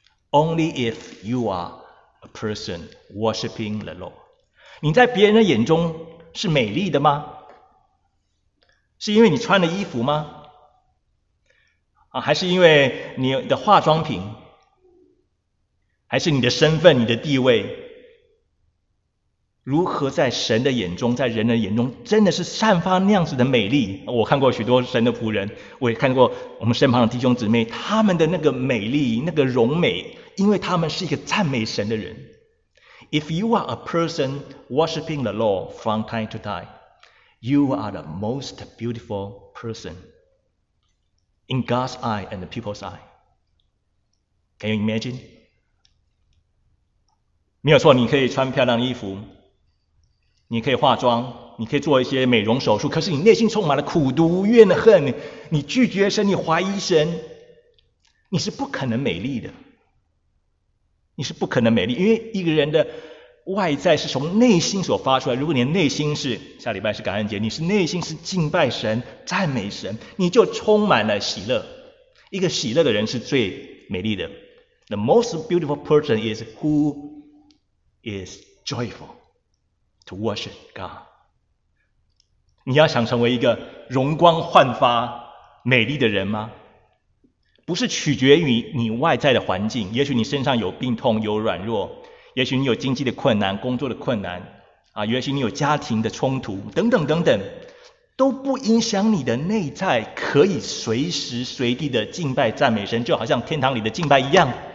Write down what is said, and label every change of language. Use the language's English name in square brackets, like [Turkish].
[English] Only if you are a person worshiping the Lord. [Chinese] 你在别人的眼中是美丽的吗？是因为你穿的衣服吗？还是因为你的化妆品？还是你的身份、你的地位？如何在神的眼中、在人的眼中真的是散发那样子的美丽？我看过许多神的仆人，我也看过我们身旁的弟兄姊妹，他们的那个美丽、那个荣美，因为他们是一个赞美神的人。 [English] If you are a person worshiping the Lord from time to time,You are the most beautiful person in God's eye and the people's eye. Can you imagine? [Chinese] 没有错，你可以穿漂亮的衣服，你可以化妆，你可以做一些美容手术，可是你内心充满了苦毒、怨恨，你拒绝神，你怀疑神，你是不可能美丽的。你是不可能美丽，因为一个人的外在是从内心所发出来，如果你的内心是，下礼拜是感恩节，你是内心是敬拜神、赞美神，你就充满了喜乐。一个喜乐的人是最美丽的。 [English] The most beautiful person is who is joyful to worship God. [Chinese] 你要想成为一个容光焕发美丽的人吗？不是取决于你外在的环境，也许你身上有病痛、有软弱，也许你有经济的困难、工作的困难啊，也许你有家庭的冲突等等等等，都不影响你的内在可以随时随地的敬拜赞美神，就好像天堂里的敬拜一样。